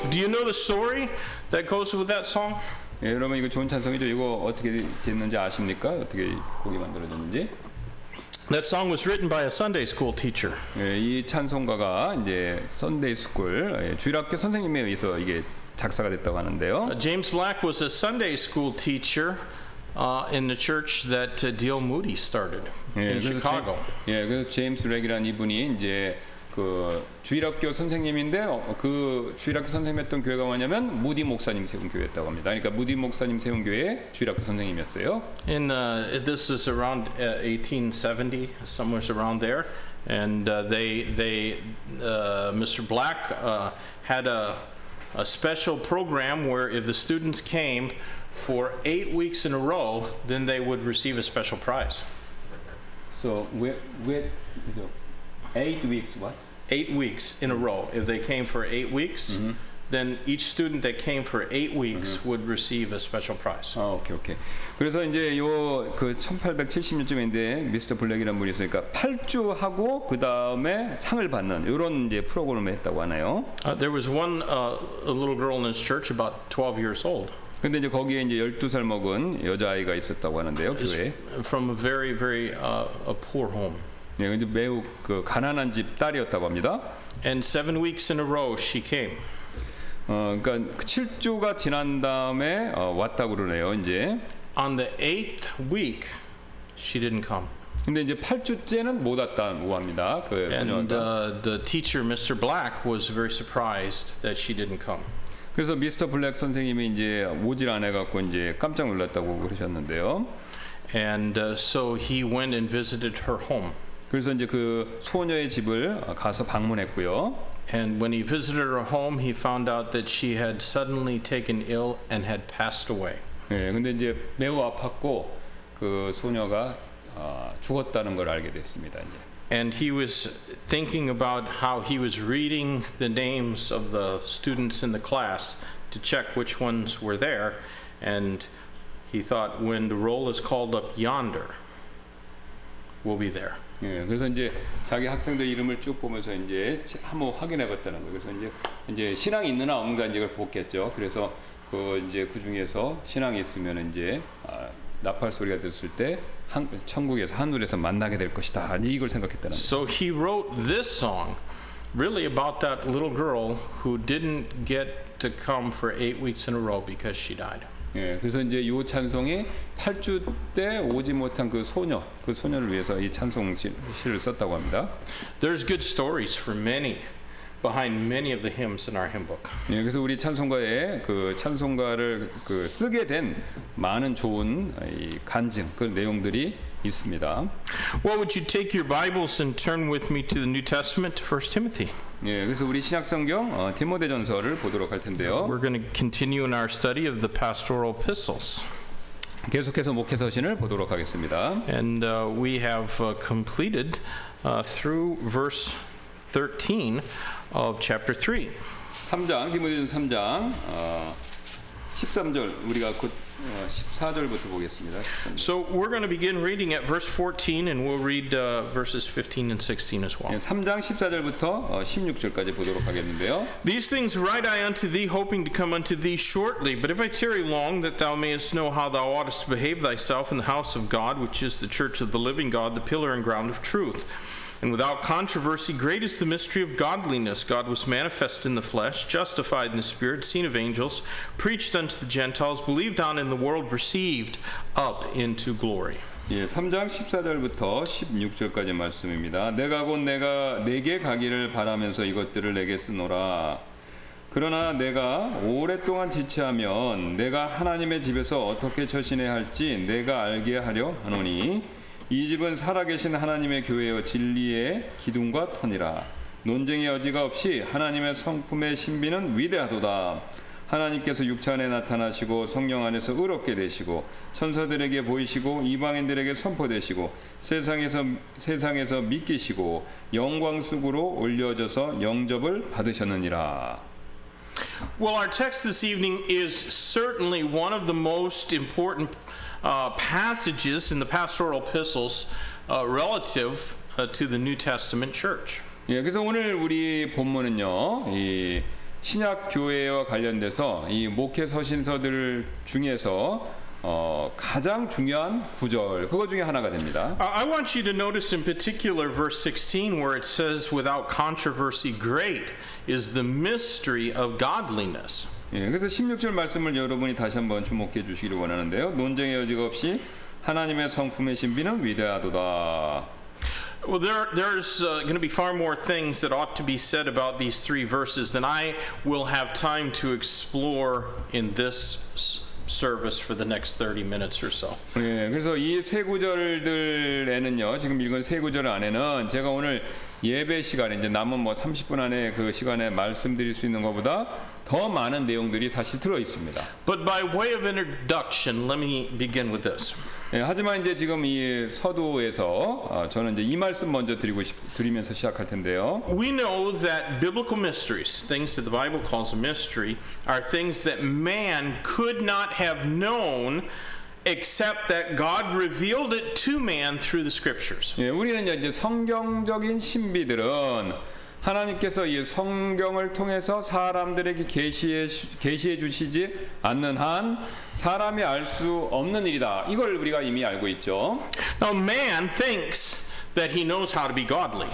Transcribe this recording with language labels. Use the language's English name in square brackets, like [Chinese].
[English] Do you know the story that goes with that song? [Korean] 예, 여러분 이거 좋은 찬송이죠. 이거 어떻게 됐는지 아십니까? 어떻게 곡이 만들어졌는지? [English] That song was written by a Sunday school teacher. [Korean] 예, 이 찬송가가 이제 Sunday school 주일학교 선생님에 의해서 이게 작사가 됐다고 하는데요. [English] James Black was a Sunday school teacher in the church that D.L. Moody started in Chicago. [Korean] 예, 그래서 James Black이라는 이분이 이제 그 주일학교 선생님인데 그 주일학교 선생님했던 교회가 뭐냐면 무디 목사님 세운 교회였다고 합니다. 그러니까 무디 목사님 세운 교회 주일학교 선생님이었어요. [English] And this is around 1870, somewhere around there. And Mr. Black had a special program where if the students came for 8 weeks in a row, then they would receive a special prize. So with 8 weeks, what? 8 weeks in a row. If they came for 8 weeks, mm-hmm. then each student that came for 8 weeks mm-hmm. would receive a special prize. Oh, okay, okay. [Korean] 그래서 이제 요 그 1870년쯤인데 미스터 블랙이라는 분이 있으니까 8주 하고 그 다음에 상을 받는 이런 이제 프로그램을 했다고 하나요? [English] There was one a little girl in his church about 12 years old. [Korean] 근데 이제 거기에 이제 12살 먹은 여자아이가 있었다고 하는데요, 교회에. [English] From a very, very a poor home. [Korean] 네, 이제 매우 그 가난한 집 딸이었다고 합니다. [English] And 7 weeks in a row she came. [Korean] 그러니까 7주가 지난 다음에 왔다고 그러네요, 이제. [English] On the 8th week, she didn't come. [Korean] 근데 이제 8주째는 못 왔다고 합니다. 그 소녀가. [English] The teacher Mr. Black was very surprised that she didn't come. [Korean] 그래서 미스터 블랙 선생님이 이제 오질 안 해 갖고 이제 깜짝 놀랐다고 그러셨는데요. [English] And so he went and visited her home. [Korean] 그래서 이제 그 소녀의 집을 가서 방문했고요. [English] And when he visited her home, he found out that she had suddenly taken ill and had passed away. [Korean] 예, 근데 이제 매우 아팠고 그 소녀가 죽었다는 걸 알게 됐습니다. 이제. [English] And he was thinking about how he was reading the names of the students in the class to check which ones were there, and he thought, when the roll is called up yonder, we'll be there. [Korean] 예, 그래서 이제 자기 학생들 이름을 쭉 보면서 이제 한번 확인해봤다는 거예요. 그래서 이제 신앙이 있느냐 없느냐 이제 그걸 보겠죠. 그래서 그 이제 그 중에서 신앙이 있으면 이제 나팔 소리가 들었을 때 천국에서 하늘에서 만나게 될 것이다. 이걸 생각했다는. [English] So he wrote this song, really about that little girl who didn't get to come for 8 weeks in a row because she died. [Korean] 예, 그래서 이제 이 찬송이 8주 때 오지 못한 그 소녀, 그 소녀를 위해서 이 찬송 시를 썼다고 합니다. [English] There's good stories for many behind many of the hymns in our hymnbook. [Korean] 예, 그래서 우리 찬송가에 그 찬송가를 그 쓰게 된 많은 좋은 이 간증 그 내용들이 있습니다. [English] Well, would you take your Bibles and turn with me to the New Testament, to 1 Timothy? [Korean] 예, 그래서 우리 신약성경 디모데전서를 보도록 할 텐데요. [English] We're going to continue in our study of the pastoral epistles. [Korean] 계속해서 목회서신을 보도록 하겠습니다. [English] And we have completed through verse 13 of chapter 3. [Korean] 3장 디모데전서 3장 13절 우리가 곧 14절부터 보겠습니다. 13절. [English] So we're going to begin reading at verse 14 and we'll read verses 15 and 16 as well. [Korean] 3장 14절부터 16절까지 보도록 하겠는데요. [English] These things write I unto thee, hoping to come unto thee shortly. But if I tarry long, that thou mayest know how thou oughtest to behave thyself in the house of God, which is the church of the living God, the pillar and ground of truth. And without controversy, great is the mystery of godliness. God was manifest in the flesh, justified in the spirit, seen of angels, preached unto the Gentiles, believed on in the world, received up into glory. [Korean] 예, 3장 14절부터 16절까지 말씀입니다. 내가 곧 내가 내게 가기를 바라면서 이것들을 내게 쓰노라. 그러나 내가 오랫동안 지체하면 내가 하나님의 집에서 어떻게 처신해야 할지 내가 알게 하려 하노니 이 집은 살아계신 하나님의 교회여 진리의 기둥과 터니라. 논쟁의 여지가 없이 하나님의 성품의 신비는 위대하도다. 하나님께서 육체 안에 나타나시고 성령 안에서 의롭게 되시고 천사들에게 보이시고 이방인들에게 선포되시고 세상에서 믿기시고 영광 속으로 올려져서 영접을 받으셨느니라. [English] Well, our text this evening is certainly one of the most important passages in the pastoral epistles relative to the New Testament church. [Korean] 예, 그래서 오늘 우리 본문은요, 이 신약 교회와 관련돼서 이 목회 서신서들 중에서 가장 중요한 구절 그거 중에 하나가 됩니다. [English] I want you to notice in particular verse 16 where it says without controversy great is the mystery of godliness. [Korean] 예, 그래서 16절 말씀을 여러분이 다시 한번 주목해 주시기를 원하는데요. 논쟁의 여지가 없이 하나님의 성품의 신비는 위대하도다. [English] Well, there's going to be far more things that ought to be said about these three verses than I will have time to explore in this service for the next 30 minutes or so. [Korean] 예, 그래서 이 세 구절들에는요. 지금 읽은 세 구절 안에는 제가 오늘 예배 시간에 이제 남은 뭐 30분 안에 그 시간에 말씀드릴 수 있는 것보다 더 많은 내용들이 사실 들어 있습니다. [English] But by way of introduction, let me begin with this. [Korean] 예, 하지만 이제 지금 이 서두에서 저는 이제 이 말씀 먼저 드리고 드리면서 시작할 텐데요. [English] We know that biblical mysteries, things that the Bible calls a mystery, are things that man could not have known except that God revealed it to man through the scriptures. [Korean] 예, 우리는 이제 성경적인 신비들은 하나님께서 이 성경을 통해서 사람들에게 계시해 주시지 않는 한 사람이 알 수 없는 일이다. 이걸 우리가 이미 알고 있죠. [English] Now man thinks that he knows how to be godly.